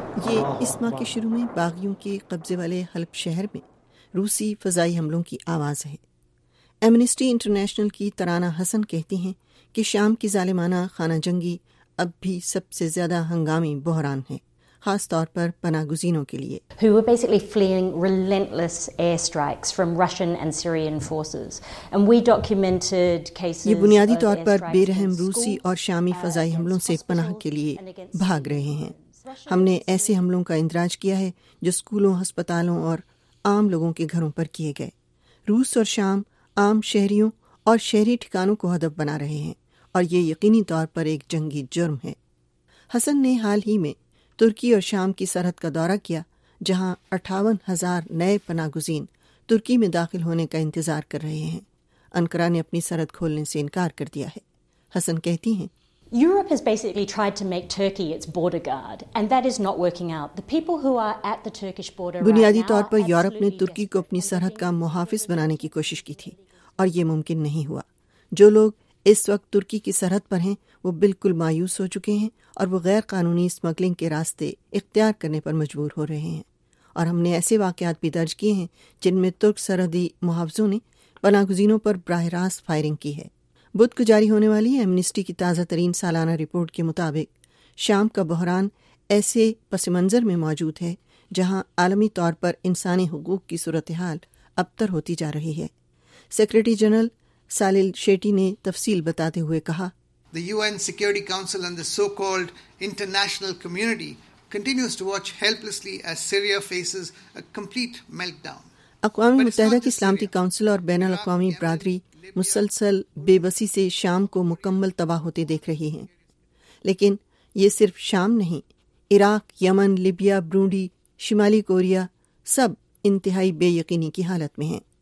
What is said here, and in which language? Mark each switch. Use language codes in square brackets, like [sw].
[ur] یہ اس ماہ کے شروع میں باغیوں کے قبضے والے حلب شہر میں روسی فضائی حملوں کی آواز ہے۔ ایمنیسٹی انٹرنیشنل کی ترانہ حسن کہتی ہیں کہ شام کی ظالمانہ خانہ جنگی اب بھی سب سے زیادہ ہنگامی بحران ہے، خاص طور پر پناہ گزینوں کے لیے. [en] Who were basically fleeing relentless airstrikes from Russian and Syrian forces. And we documented cases. [ur] یہ بنیادی طور پر بے رحم روسی اور شامی فضائی حملوں سے پناہ کے لیے بھاگ رہے ہیں. ہم نے ایسے حملوں کا اندراج کیا ہے جو سکولوں، ہسپتالوں اور عام لوگوں کے گھروں پر کیے گئے. روس اور شام عام شہریوں اور شہری ٹھکانوں کو ہدف بنا رہے ہیں، اور یہ یقینی طور پر ایک جنگی جرم ہے. حسن نے حال ہی میں ترکی اور شام کی سرحد کا دورہ کیا، جہاں 58,000 نئے پناہ گزین ترکی میں داخل ہونے کا انتظار کر رہے ہیں. انقرہ نے اپنی سرحد کھولنے سے انکار کر دیا ہے. حسن کہتی ہیں، [en] Europe has basically tried to make Turkey its border guard and that is not working out. The people who are at the Turkish border right now. [ur] بنیادی طور پر یورپ نے ترکی کو اپنی سرحد کا محافظ بنانے کی کوشش کی تھی اور یہ ممکن نہیں ہوا. جو لوگ اس وقت ترکی کی سرحد پر ہیں وہ بالکل مایوس ہو چکے ہیں اور وہ غیر قانونی اسمگلنگ کے راستے اختیار کرنے پر مجبور ہو رہے ہیں، اور ہم نے ایسے واقعات بھی درج کیے ہیں جن میں ترک سرحدی محافظوں نے پناہ گزینوں پر براہ راست فائرنگ کی ہے. بدھ کو جاری ہونے والی ایمنسٹی کی تازہ ترین سالانہ رپورٹ کے مطابق شام کا بحران ایسے پس منظر میں موجود ہے جہاں عالمی طور پر انسانی حقوق کی صورتحال ابتر ہوتی جا رہی ہے. سیکرٹری جنرل سالیل شیٹی نے تفصیل بتاتے ہوئے کہا، [en] The UN Security Council and the so-called international community continues to watch helplessly as Syria faces a complete meltdown. [ur] اقوام متحدہ کی سلامتی کونسل اور بین الاقوامی برادری مسلسل بے بسی سے شام کو مکمل تباہ ہوتے دیکھ رہی ہیں، لیکن یہ صرف شام نہیں، عراق، یمن، لیبیا، برونڈی، شمالی کوریا سب انتہائی بے یقینی کی حالت میں ہیں.